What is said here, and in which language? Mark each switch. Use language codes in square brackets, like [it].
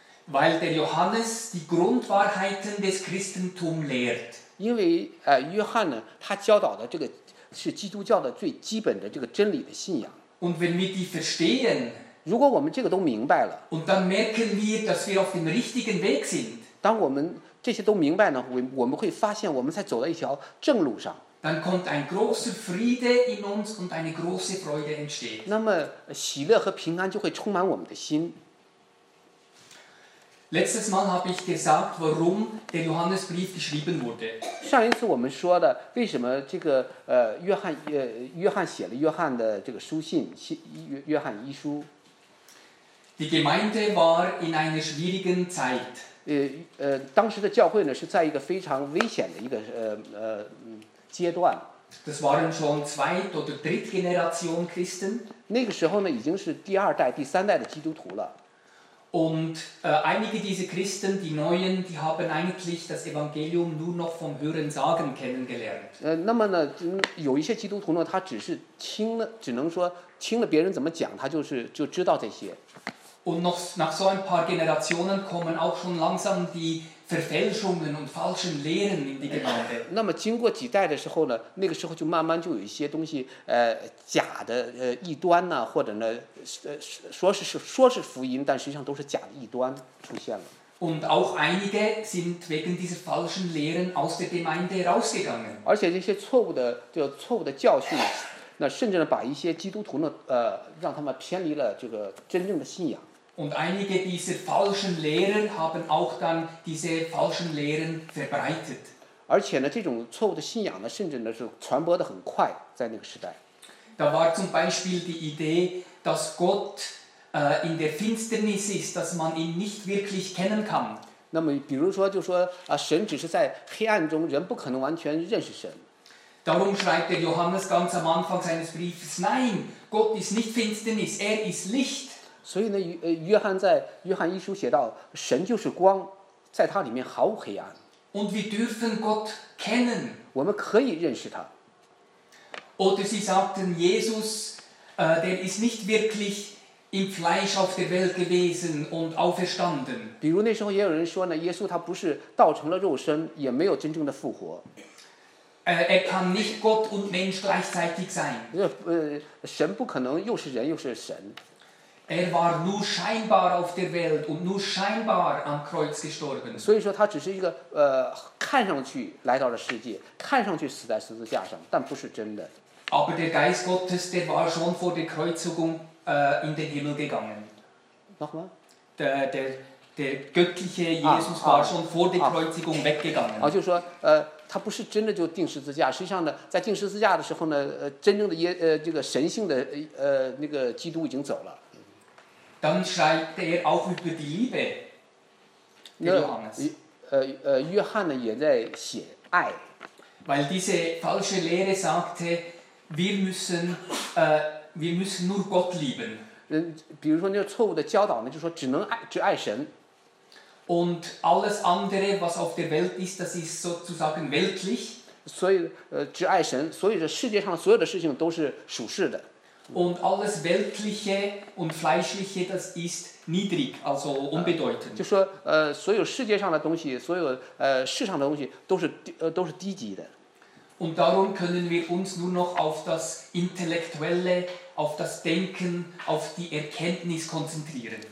[de] Weil der Johannes die Grundwahrheiten des Christentums lehrt. [zh] 因为约翰呢，他教导的这个是基督教的最基本的这个真理的信仰。 [de] Und wenn wir die verstehen [zh] 如果我们这个都明白了 [de] und dann merken wir, dass wir auf dem richtigen Weg sind, [zh] 当我们这些都明白呢 我们会发现我们在走在一条正路上 [de] dann kommt ein großer Friede in uns und eine große Freude entsteht. [zh] 那么喜乐和平安就会充满我们的心。 [de] Letztes Mal habe ich gesagt, warum der Johannesbrief geschrieben wurde. [zh] 上一次我们说的为什么这个约翰写了约翰的这个书信约翰一书。 [de] Die Gemeinde war in einer schwierigen Zeit. [zh] 当时的教会呢是在一个非常危险的一个阶段。 [de] Das waren schon zweit- oder drittgeneration Christen. [zh] 那个时候呢已经是第二代、第三代的基督徒了。 [de] Und einige dieser Christen, die Neuen, die haben eigentlich das Evangelium nur noch vom Hörensagen kennengelernt. [zh] 那么呢，有一些基督徒呢，他只是听了，只能说听了别人怎么讲，他就是就知道这些。 [de] Und noch nach so ein paar Generationen kommen auch schon langsam die Verfälschungen und falschen Lehren in die Gemeinde. [zh] 那么经过几代的时候呢，那个时候就慢慢就有一些东西，假的异端呢、啊，或者呢，说是福音，但实际上都是假的异端出现了。 [de] Und auch einige sind wegen dieser falschen Lehren aus der Gemeinde rausgegangen. [zh] 而且这些错误的教训。那甚至呢把一些基督徒呢让他们偏离了这个真正的信仰。 [de] Und einige dieser falschen Lehren haben auch dann diese falschen Lehren verbreitet. [zh] 而且呢这种错误的信仰呢甚至呢是传播得很快在那个时代。 [de] Da war zum Beispiel die Idee, dass Gott in der Finsternis ist, dass man ihn nicht wirklich kennen kann. [zh] 那么比如说就说啊神只是在黑暗中人不可能完全认识神。 [de] Darum schreibt der Johannes ganz am Anfang seines Briefes, nein, Gott ist nicht Finsternis, er ist Licht. [zh] 所以呢，约翰在约翰一书写到，神就是光，在他里面毫无黑暗。 [de] Und wir dürfen Gott kennen. [zh] 我们可以认识他。 [de] Oder sie sagten, Jesus, der ist nicht wirklich im Fleisch auf der Welt gewesen und auferstanden. [zh] 比如那时候也有人说呢，耶稣他不是道成了肉身，也没有真正的复活。 [de] Er kann nicht Gott und Mensch gleichzeitig sein. [zh] 神不可能又是人又是神。 [de] Er war nur scheinbar auf der Welt und nur scheinbar am Kreuz gestorben. [zh] 所以说他只是一个看上去来到了世界，看上去死在十字架上，但不是真的。 [de] Aber der Geist Gottes, der war schon vor der Kreuzigung in den Himmel gegangen. Nochmal? Der göttliche Jesus war schon vor der Kreuzigung weggegangen. [zh] 就说他不是真的就钉十字架，实际上呢，在钉十字架的时候呢，真正的这个神性的那个基督已经走了。 [de] Dann schreibt er auch über die Liebe. [zh] 那约翰呢也在写爱。 [de] Weil diese falsche Lehre sagte, wir müssen nur Gott lieben. [zh] 比如说那个错误的教导呢，就说只爱神。 [de] Und alles andere, was auf der Welt ist, das ist sozusagen weltlich. [zh] 所以只爱神，所以这世界上所有的事情都是属世的。 [de] Und alles weltliche und fleischliche, das ist niedrig, also unbedeutend. [zh] 就说所有世界上的东西，所有世上的东西都是低级的。 [de] Und darum können wir uns nur noch auf das Intellektuelle, auf das Denken, auf die Erkenntnis konzentrieren.